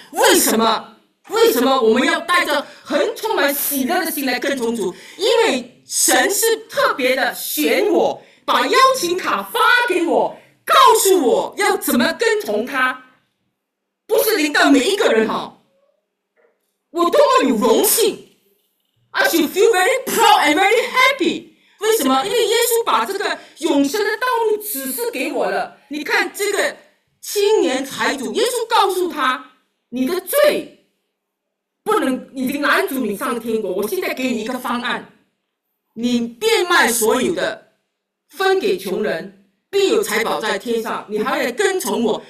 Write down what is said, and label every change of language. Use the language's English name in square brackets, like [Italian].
[Chinese] 为什么我们要带着很充满喜乐的心来跟从主？因为神是特别的选我，把邀请卡发给我，告诉我要怎么跟从他，不是临到每一个人哈。我多么有荣幸 [English] ，I should feel very proud and very happy。 [Chinese] 为什么？因为耶稣把这个永生的道路指示给我了。你看这个青年财主，耶稣告诉他，你的罪不能已经拦阻你上天国，我现在给你一个方案，你变卖所有的分给穷人，必有财宝在天上，你还要跟从我。